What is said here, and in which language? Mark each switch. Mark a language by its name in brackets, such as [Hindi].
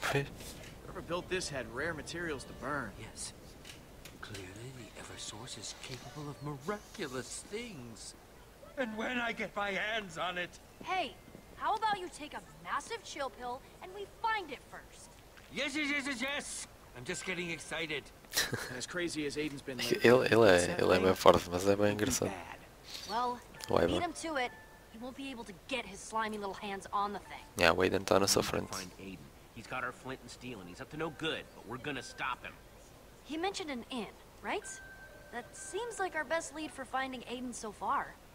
[English] Whoever built this had rare materials to burn. Yes. Clearly the Eversource is capable of miraculous things. And when I get my hands on it. Hey, how about you take a massive chill pill and we find it first? Yes. I'm just getting excited. As crazy as Aiden's been. [Portuguese] Ele é bem forte, mas é bem engraçado. [English] Well, if you lead him to it, he won't be able to get his slimy little hands on the thing. Yeah, wait until us friends. Find Aiden. He's got our flint and steel and he's up to no good, but we're gonna stop him. He mentioned an inn, right? That seems like our best lead for finding Aiden so far.